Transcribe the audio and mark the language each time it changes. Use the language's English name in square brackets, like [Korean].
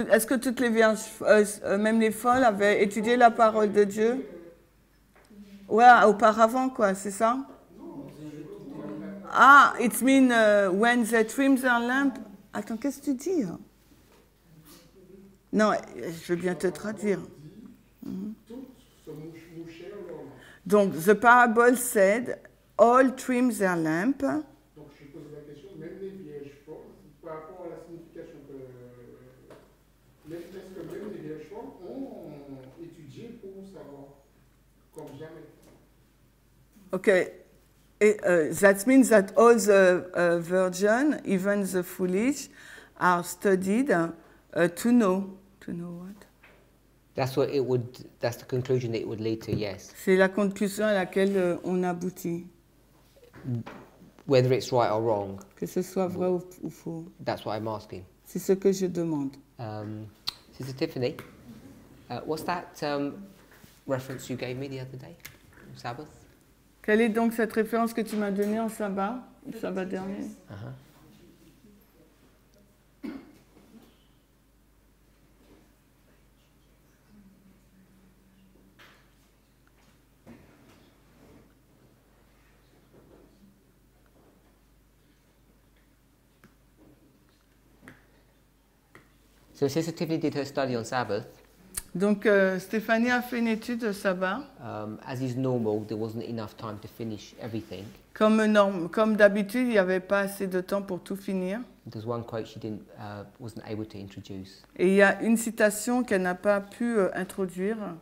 [French] Est-ce que toutes les vierges, même les folles, avaient étudié la parole de Dieu? Ouais, auparavant, quoi, c'est ça? [English] Ah, it means when they trim their lamp. [French] Attends, qu'est-ce que tu dis? Non, je veux bien te traduire. Mm-hmm. Donc, [English] the parable said, all trim their lamp. [French] Donc, je pose la question, même les vierges folles, par rapport à la signification que. Est-ce que même les vierges folles ont étudié pour savoir, comme jamais? Ok. [English] That means that all the virgins, even the foolish, are studied to know. To know what? That's what it would. That's the conclusion that it would lead to. Yes. [French] C'est la conclusion à laquelle on aboutit. [English] Whether it's right or wrong. [French] Que ce soit vrai ou faux. [English] That's what I'm asking. [French] C'est ce que je demande. [English] Sister Tiffany, what's that reference you gave me the other day, Sabbath? [French] Quelle est donc cette référence que tu m'as donnée en sabbat, le sabbat dernier? [English] So Sister Tiffany did her study on Sabbath. [French] Donc Stéphanie a fait une étude de sabbat. [English] As is normal, there wasn't enough time to finish everything. [French] Comme norme, comme d'habitude, il y avait pas assez de temps pour tout finir. [English] There's one quote she didn't wasn't able to introduce. [French] Et il y a une citation qu'elle n'a pas pu introduire.